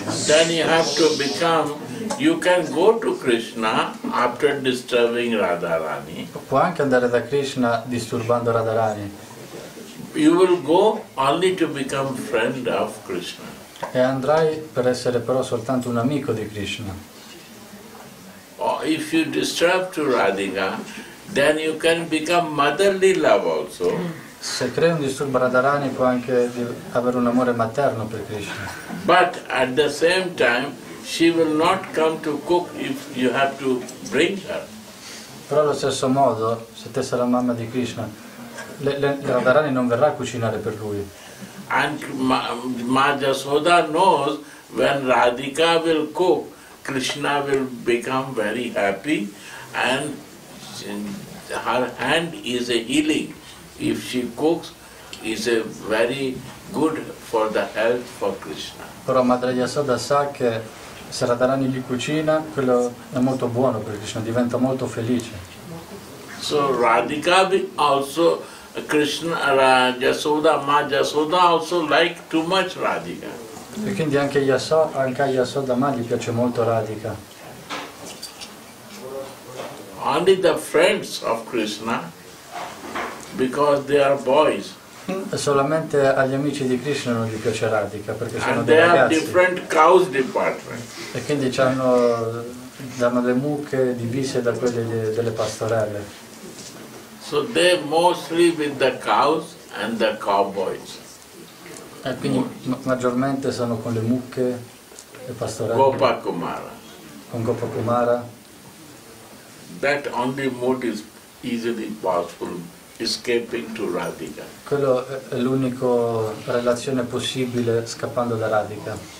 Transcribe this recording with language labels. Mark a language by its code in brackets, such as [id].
[en] then you have to become, you can go to Krishna after disturbing Radharani. [it] Può anche andare da Krishna disturbando Radharani. [en] You will go only to become friend of Krishna. [it] E andrai per essere però soltanto un amico di Krishna. [en] Oh, if you disturb to Radhika, then you can become motherly love also. [it] Se crei un disturbo Radharani può anche avere un amore materno per Krishna. [en] But at the same time she will not come to cook if you have to bring her. [it] Però allo stesso modo, se te sei la mamma di Krishna, Radharani non verrà a cucinare per lui. [en] And Majasoda knows when Radhika will cook, Krishna will become very happy and her hand is a healing. If she cooks, is a very good for the health for Krishna. [it] Però Madre Yasoda sa che se Radharani gli cucina, quello è molto buono per Krishna, diventa molto felice. [en] So Radhika also, Krishna, Yasoda, Ma Yasoda also like too much Radhika. [it] E quindi anche Yasoda Ma gli piace molto Radhika. [en] Only the friends of Krishna, because they are boys. [it] Solamente agli amici di Krishna non gli piace Radhika, perché sono dei [en] And they have different cows department. [it] E quindi hanno, danno le mucche divise da quelle delle pastorelle. [en] So they mostly with the cows and the cowboys. [it] E quindi maggiormente sono con le mucche e pastorelle. [en] Gopakumara. [it] Con Gopakumara. [en] That only mode is easily possible, escaping to Radhika. [it] Quello è l'unico relazione possibile scappando da Radhika.